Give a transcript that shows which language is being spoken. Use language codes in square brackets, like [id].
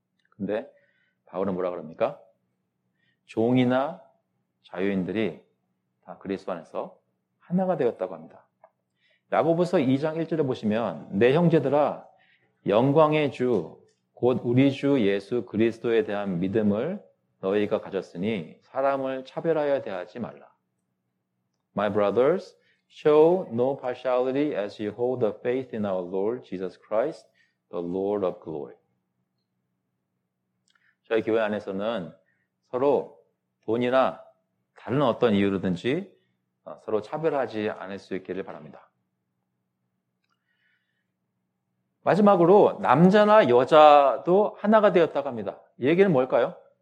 [ko] 근데 바울은 뭐라 그럽니까? 종이나 자유인들이 다 그리스도 안에서 하나가 되었다고 합니다. 야고보서 2장 1절을 보시면 내 형제들아 영광의 주 곧 우리 주 예수 그리스도에 대한 믿음을 너희가 가졌으니 사람을 차별하여 대하지 말라. [en] My brothers, show no partiality as you hold the faith in our Lord Jesus Christ, the Lord of glory. [ko] 저희 교회 안에서는 서로 돈이나 다른 어떤 이유로든지 서로 차별하지 않을 수 있기를 바랍니다. 마지막으로 남자나 여자도 하나가 되었다고 합니다. 이 얘기는 뭘까요?